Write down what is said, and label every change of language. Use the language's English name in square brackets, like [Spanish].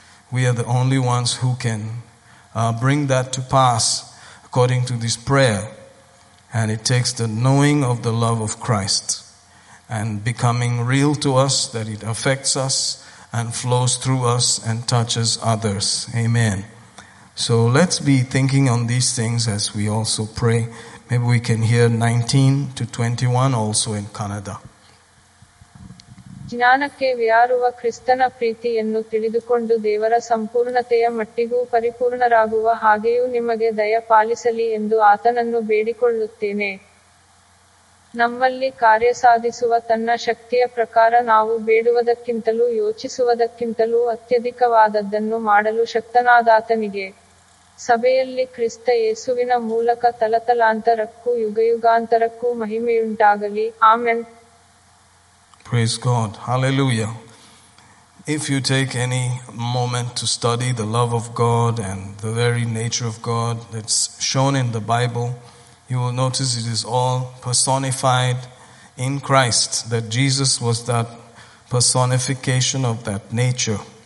[English] We are the only ones who can bring that to pass according to this prayer, and it takes the knowing of the love of Christ and becoming real to us, that it affects us and flows through us and touches others. Amen. So let's be thinking on these things as we also pray. Maybe we can hear 19 to 21 also in Kannada. [Kannada] ಜ್ಞಾನಕ್ಕೆ ವಿಯಾರುವ ಕ್ರಿಸ್ತನ ಪ್ರೀತಿಯನ್ನು ತಿಳಿದುಕೊಂಡು ದೇವರ ಸಂಪೂರ್ಣತೆಯ ಮಟ್ಟಿಗೂ ಪರಿಪೂರ್ಣರಾಗುವ ಹಾಗೆಯೂ ನಿಮಗೆ ದಯ ಪಾಲಿಸಲಿ ಎಂದು ಆತನನ್ನು ಬೇಡಿಕೊಳ್ಳುತ್ತೇನೆ. ನಮ್ಮಲ್ಲಿ ಕಾರ್ಯ ಸಾಧಿಸುವ ತನ್ನ ಶಕ್ತಿಯ ಪ್ರಕಾರ ನಾವು ಬೇಡುವುದಕ್ಕಿಂತಲೂ ಯೋಚಿಸುವುದಕ್ಕಿಂತಲೂ ಅತ್ಯಧಿಕವಾದದ್ದನ್ನು ಮಾಡಲು ಶಕ್ತನಾದಾತನಿಗೆ ಸಭೆಯಲ್ಲಿ ಕ್ರಿಸ್ತ ಯೇಸುವಿನ ಮೂಲಕ ತಲತಲಾಂತರಕ್ಕೂ ಯುಗಯುಗಾಂತರಕ್ಕೂ ಮಹಿಮೆಯುಂಟಾಗಲಿ. Amen. [English] Praise God. Hallelujah. If you take any moment to study the love of God and the very nature of God that's shown in the Bible, You will notice it is all personified in Christ, that Jesus was that personification of that nature.